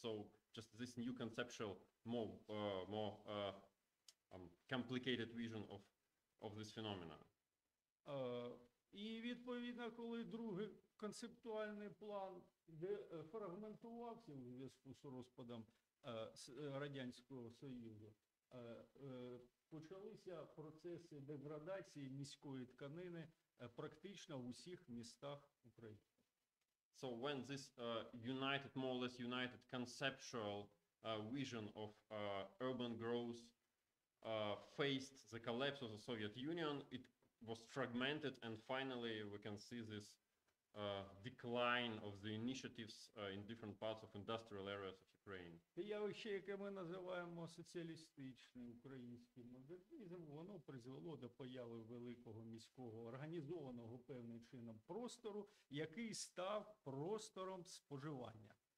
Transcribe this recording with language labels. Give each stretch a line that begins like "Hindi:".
English: So just this new conceptual, more complicated vision of this phenomena.
Ukrainian: І відповідно, коли другий концептуальний план фрагментувався у зв'язку з розпадом Радянського Союзу, почалися процеси деградації міської тканини практично в усіх містах України.
English: So when this united, more or less united conceptual vision of urban growth faced the collapse of the Soviet Union, it was fragmented, and finally we can see this decline of the initiatives in different parts of industrial areas of Ukraine.
Ukrainian: Те явище, яке ми називаємо соціалістичним українським модернізмом, воно призвело до появи великого міського організованого певним чином простору, який став простором споживання.